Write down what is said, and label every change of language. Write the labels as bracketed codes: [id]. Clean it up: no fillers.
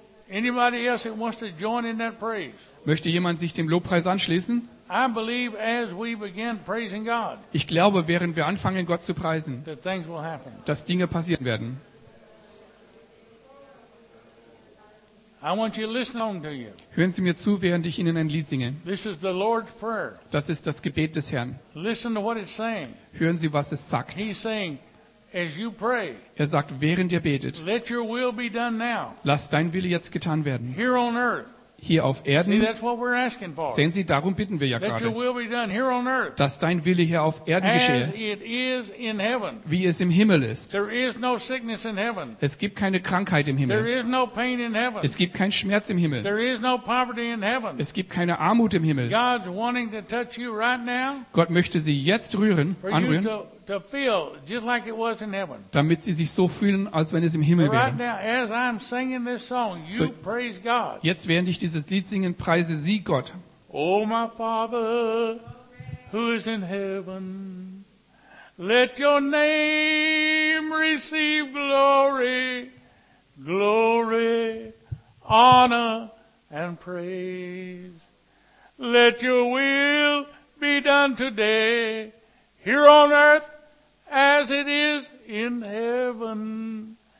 [en] Anybody else that wants to join in that praise? [de] Möchte jemand sich dem Lobpreis anschließen? [en] I believe as we begin praising God, [de] ich glaube, während wir anfangen, Gott zu preisen, [en] that things will happen. [de] Dass Dinge passieren werden. [en] I want you to listen on to you. [de] Hören Sie mir zu, während ich Ihnen ein Lied singe. [en] This is the Lord's Prayer. [de] Das ist das Gebet des Herrn. [en] Listen to what it's saying. [de] Hören Sie, was es sagt. [en] He's saying, as you pray, [de] er sagt, während ihr betet, [en] let your will be done now. [de] Lass dein Wille jetzt getan werden. [en] Here on earth. [de] Hier auf Erden. [en] See, that's what we're asking for. [de] Sehen Sie, darum bitten wir ja [en] let [de] gerade. [en] Your will be done here on earth. [de] Dass dein Wille hier auf Erden [en] as [de] geschehe. [en] It is in heaven. [de] Wie es im Himmel ist. [en] There is no sickness in heaven. [de] Es gibt keine Krankheit im Himmel. [en] There is no pain in heaven. [de] Es gibt keinen Schmerz im Himmel. [en] There is no poverty in heaven. [de] Es gibt keine Armut im Himmel. [en] God's wanting to touch you right now, [de] Gott möchte Sie jetzt rühren, [en] for [de] anrühren. [en] You to feel just like it was in heaven. [de] Damit sie sich so fühlen, als wenn es im Himmel wäre. [en] Right now, as I'm singing this song, you so, praise God. [de] Jetzt, während ich dieses Lied singe, preise sie Gott. [en] Oh, my Father, who is in heaven, let your name receive glory, glory, honor, and praise. Let your will be done today, here on earth, as it is in heaven.